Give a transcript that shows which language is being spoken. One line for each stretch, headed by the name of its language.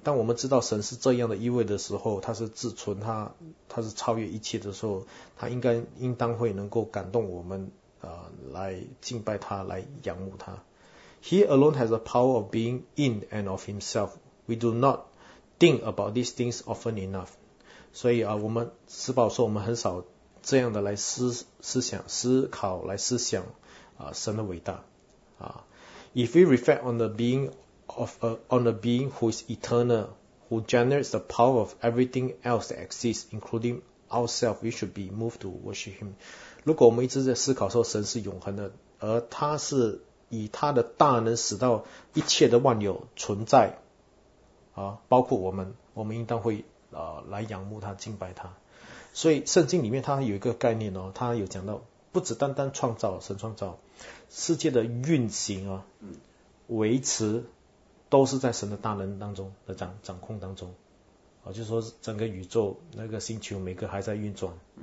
Chinese: 当我们知道神是这样的一位的时候，他是自存，他是超越一切的时候，他应当会能够感动我们来敬拜他，来仰慕他。
English: He alone has the power of being in and of Himself. We do not think about these things often enough.
Chinese: 所以我们施宝说，我们很少这样的来思想。神的伟大
English: If we reflect on the being on a being who is eternal, who generates the power of everything else that exists, including ourselves, we should be moved to worship Him.
Chinese: 如果我们一直在思考说神是永恒的，而他是以他的大能使到一切的万有存在包括我们，我们应当会来仰慕他，敬拜他。所以圣经里面他有一个概念他有讲到。不只单单创造神创造世界的运行维持都是在神的大能当中的掌控当中就是说整个宇宙那个星球每个还在运转